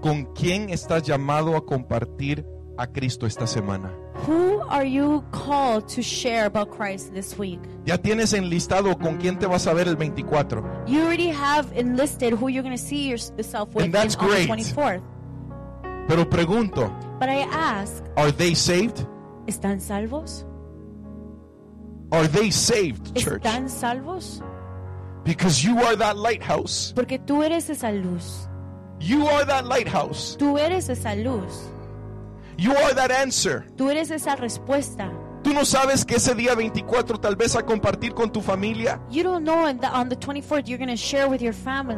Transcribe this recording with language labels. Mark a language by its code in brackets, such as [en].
[es] ¿Con quién estás llamado a compartir a Cristo esta semana? [en] Who are you called to share about Christ this week? [es] Ya tienes enlistado con quién te vas a ver el 24. [en] You already have enlisted who you're going to see yourself with. And that's on great. The 24th. [es] Pero pregunto. [en] But I ask. Are they saved? [es] ¿Están salvos? [en] Are they saved, church? [es] ¿Están salvos? [en] Because you are that lighthouse. [es] Porque tú eres esa luz. [en] You are that lighthouse. [es] Tú eres esa luz. [en] You are that answer. [es] Tú eres esa respuesta. Tú no sabes que ese día 24 tal vez a compartir con tu familia. [en] You don't know that on the 24th you're going to share with your family.